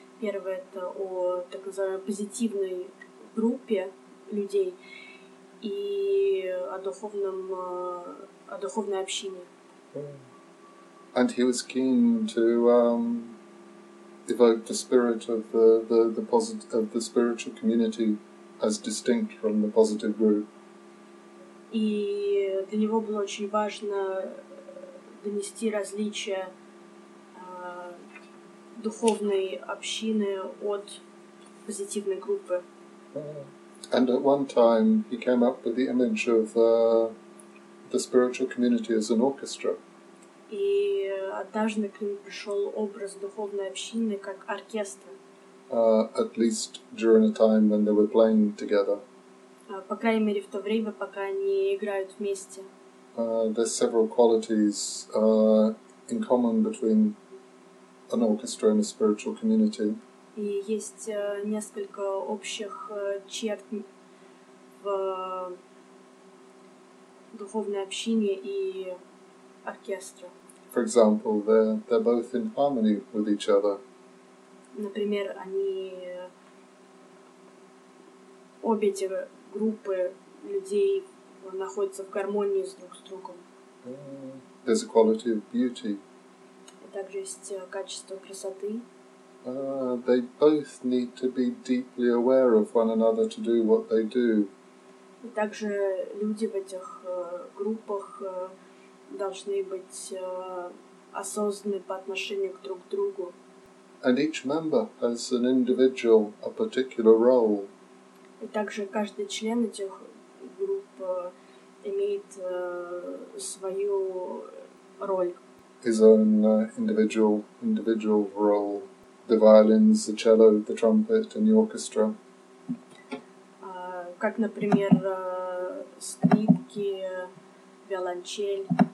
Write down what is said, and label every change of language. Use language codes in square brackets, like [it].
[ru] Первая — это о так называемой позитивной группе людей и о духовной общине. [en] And he was keen to evoke the spirit of the spiritual community as distinct from the positive group. [ru] И для него было очень важно донести различие духовной общины от позитивной группы. [en] And at one time he came up with the image of the spiritual community as an orchestra. [ru] И однажды к нему пришел образ духовной общины как оркестр. [en] At least during a time when they were playing together. [ru] По крайней мере, в то время, пока они играют вместе. [en] There's several qualities in common between an orchestra and a spiritual community. [ru] И есть несколько общих черт в духовной общине и оркестре. [en] For example, they're both in harmony with each other. [ru] Например, они обе эти группы людей находятся в гармонии с друг с другом. [en] There's a quality of beauty. [ru] Также есть качество красоты. [en] They both need to be deeply aware of one another to do what they do. [ru] И также люди в этих группах должны быть осознанны по отношению друг к другу. [en] And each member has an individual, a particular role. [ru] И также каждый член этих групп имеет свою роль. [en] His own individual role. The violins, the cello, the trumpet, and the orchestra. [ru] Как, например, скрипки, виолончель.